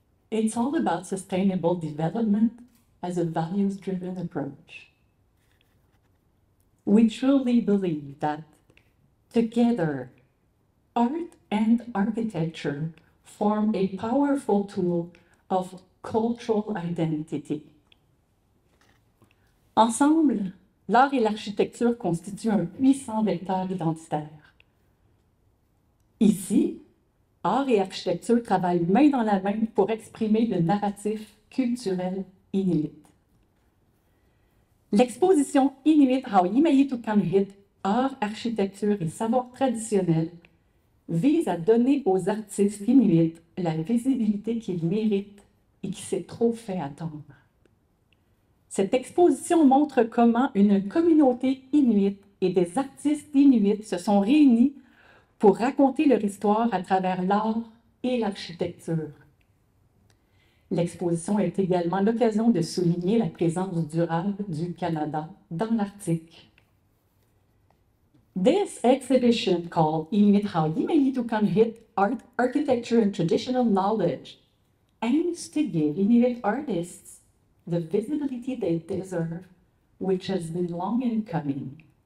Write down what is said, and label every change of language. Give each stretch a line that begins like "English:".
English: It's all about sustainable development as a values-driven approach. We truly believe that together, art and architecture form a powerful tool of cultural identity.
French: Ensemble, l'art et l'architecture constituent un puissant vecteur identitaire. Ici, art et architecture travaillent main dans la main pour exprimer le narratif culturel inuit. L'exposition Inuit Qaujimajatuqangit, art, architecture et savoir traditionnel, vise à donner aux artistes inuits la visibilité qu'ils méritent et qui s'est trop fait attendre. Cette exposition montre comment une communauté inuite et des artistes inuits se sont réunis pour raconter leur histoire à travers l'art et l'architecture. L'exposition est également l'occasion de souligner la présence durable du Canada dans l'Arctique.
English: This exhibition called Inuit Qaujimajatuqangit Art, Architecture and Traditional Knowledge aims to give Inuit artists the visibility they deserve, which has been long in coming.